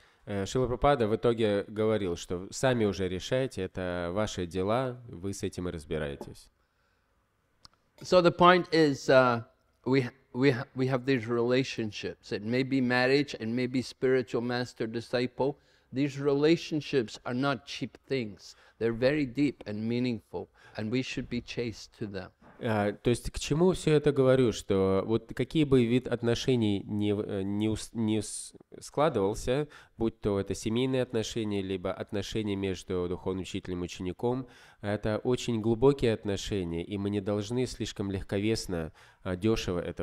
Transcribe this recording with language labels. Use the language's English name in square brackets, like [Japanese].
[Russian] Шрила Прабхупада в итоге говорил, что сами уже решайте, это ваши дела, вы с этим и разбираетесь. [English] So the point is, we have these relationships. It may be marriage, it may be spiritual master disciple. These relationships are not cheap things. They're very deep and meaningful, and we should be chaste to them. [Russian] То есть к чему все это говорю, что вот какие бы вид отношений не складывался, будь то это семейные отношения, либо отношения между духовным учителем и учеником, Это очень глубокие отношения, и мы не должны слишком легковесно, дешево это